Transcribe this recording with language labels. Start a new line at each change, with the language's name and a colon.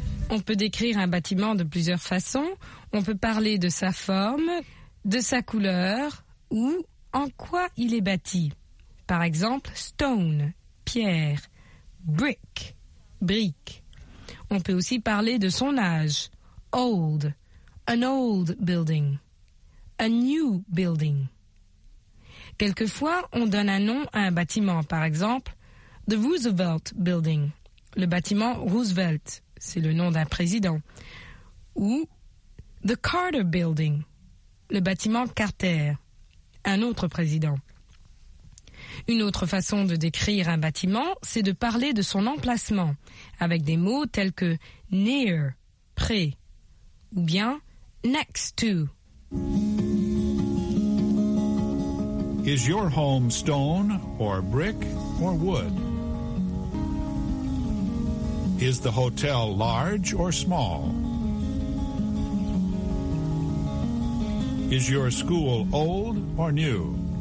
French: On peut décrire un bâtiment de plusieurs façons. On peut parler de sa forme, de sa couleur ou en quoi il est bâti. Par exemple, stone, pierre, brick, brique. On peut aussi parler de son âge.
English: Old, an old building, a new building.
French: Quelquefois, on donne un nom à un bâtiment. Par exemple, the Roosevelt Building, le bâtiment Roosevelt. C'est le nom d'un président. Ou the Carter Building, le bâtiment Carter, un autre président. Une autre façon de décrire un bâtiment, c'est de parler de son emplacement, avec des mots tels que near, près, ou bien next to.
English: Is your home stone or brick or wood? Is the hotel large or small? Is your school old or new?